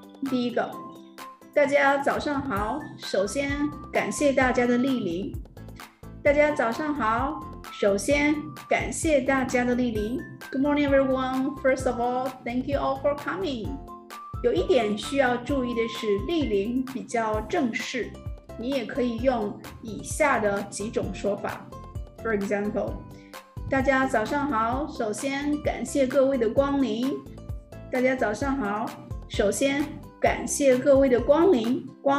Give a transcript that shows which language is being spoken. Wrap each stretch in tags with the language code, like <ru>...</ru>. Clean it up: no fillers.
<zh>第一个，大家早上好，首先感谢大家的莅临。大家早上好，首先感谢大家的莅临。</zh> <en>Good morning, everyone. First of all, thank you all for coming.</en> <zh>有一点需要注意的是，莅临比较正式。你也可以用以下的几种说法。</zh> <en>For example,</en> <zh>大家早上好，首先感谢各位的光临。大家早上好，首先感谢各位的光临。</zh>